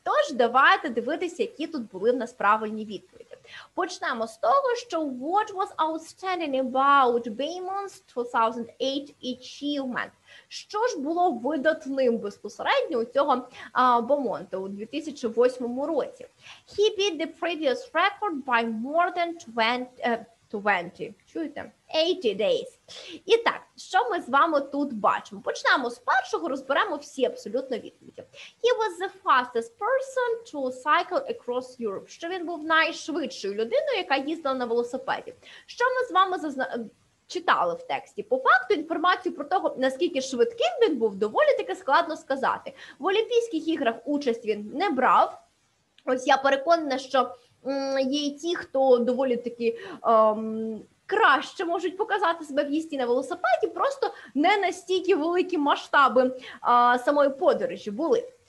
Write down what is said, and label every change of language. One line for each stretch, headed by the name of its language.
Ukrainian: Тож давайте дивитися, які тут були в нас правильні відповіді. Почнемо з того, що
English: what was outstanding about Beamon's 2008 achievement?
Ukrainian: Що ж було видатним безпосередньо у цього Бомонта у 2008 році?
English: He beat the previous record by more than 80 days.
Ukrainian: І так, що ми з вами тут бачимо? Почнемо з першого, розберемо всі абсолютно відповіді.
English: He was the fastest person to cycle across Europe.
Ukrainian: Що він був найшвидшою людиною, яка їздила на велосипеді. Що ми з вами читали в тексті? По факту інформацію про того, наскільки швидким він був, доволі таки складно сказати. В Олімпійських іграх участь він не брав. Ось я переконана, що є й ті, хто доволі таки краще можуть показати себе в їзді на велосипеді, просто не настільки великі масштаби самої подорожі були.